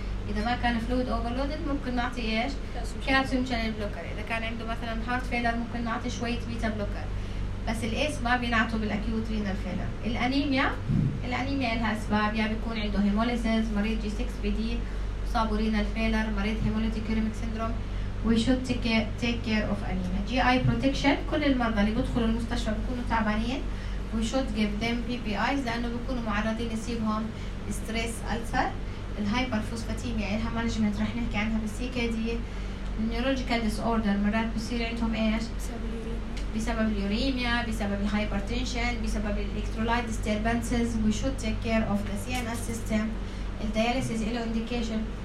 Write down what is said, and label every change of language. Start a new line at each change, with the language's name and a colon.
Arabic: إذا ما كان فلويد أوفرلود ممكن نعطي إيش؟ كالسيوم شانل بلوكر. إذا كان عنده مثلاً هارت فيلر ممكن نعطي شوية بيتا بلوكر، بس الإيس ما بينعطوا بالأكيوت رينال فيلر. الأنيميا لها أسباب، يعني بيكون عنده هيموليسيس، مريض جي 6 بي دي مصاب رينال فيلر، مريض هيموليتيك يوريميك سيندروم.
English: We should take care of anemia. GI protection.
Arabic: كل المرضى اللي بدخلوا المستشفى بيكونوا تعبانين.
English: We should give them PPIs
Arabic: لأنه بيكونوا معرضين يصيبهم
English: stress ulcer.
Arabic: الهايبرفوسفاتيميا إلها management رح نحكي عنها بالCKD.
English: Neurological disorder
Arabic: مرات بيصير عندهم إيش؟ بسبب بسبب اليوريميا, بسبب الهايبرتنشن, بسبب الالكترولايت ديستربنسز.
English: We should take care of the C N S system.
Arabic: الدياليسيز له انديكيشن.